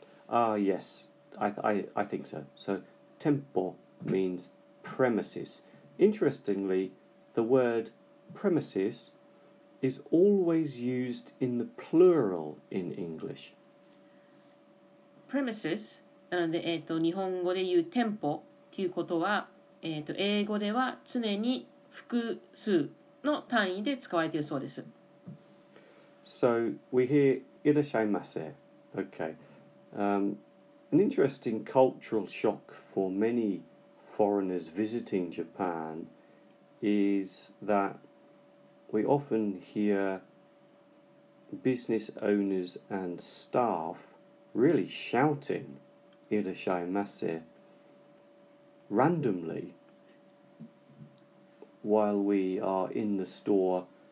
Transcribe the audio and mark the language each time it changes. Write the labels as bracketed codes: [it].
[en] Yes, I think so. So tempo means premises. Interestingly, the word premises is always used in the plural in English. [ja] Premises, なので、日本語で言う店舗ということは、英語では常に複数の単位で使われているそうです。 [en] So we hear いらっしゃいませ.Okay. An interesting cultural shock for many foreigners visiting Japan is that we often hear business owners and staff really shouting いらっしゃいませ randomly while we are in the store.